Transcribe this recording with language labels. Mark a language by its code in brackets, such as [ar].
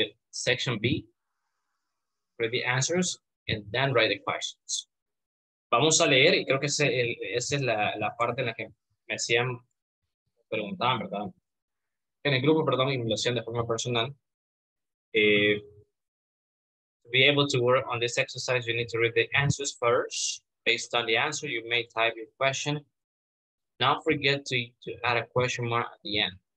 [en] Section B, read the answers and then write the questions. [es] Vamos a leer y creo que esa es la parte en la que me hacían preguntaban, ¿verdad? En el grupo, perdón, y me lo hacían de forma personal. [en] To be able to work on this exercise, you need to read the answers first. Based on the answer, you may type your question. Not forget to add a question mark at the end.